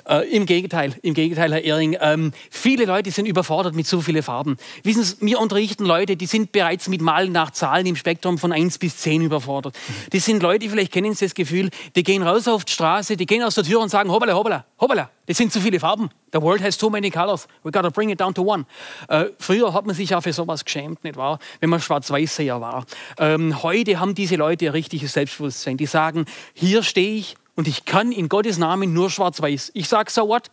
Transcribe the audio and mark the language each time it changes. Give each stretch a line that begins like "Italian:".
German: Im Gegenteil, Herr Ehring. Viele Leute sind überfordert mit so vielen Farben. Wissen Sie, wir unterrichten Leute, die sind bereits mit Malen nach Zahlen im Spektrum von 1 bis 10 überfordert. Das sind Leute, vielleicht kennen Sie das Gefühl, die gehen raus auf die Straße, die gehen aus der Tür und sagen, hoppala, hoppala, hoppala. Das sind zu viele Farben.
English: The world has too many colors. We gotta bring it down to one.
German: Früher hat man sich ja für sowas geschämt, nicht wahr? Wenn man Schwarz-Weiß-Seher war. Heute haben diese Leute ein richtiges Selbstbewusstsein. Die sagen, hier stehe ich und ich kann in Gottes Namen nur Schwarz-Weiß. Ich sag,
English: so what?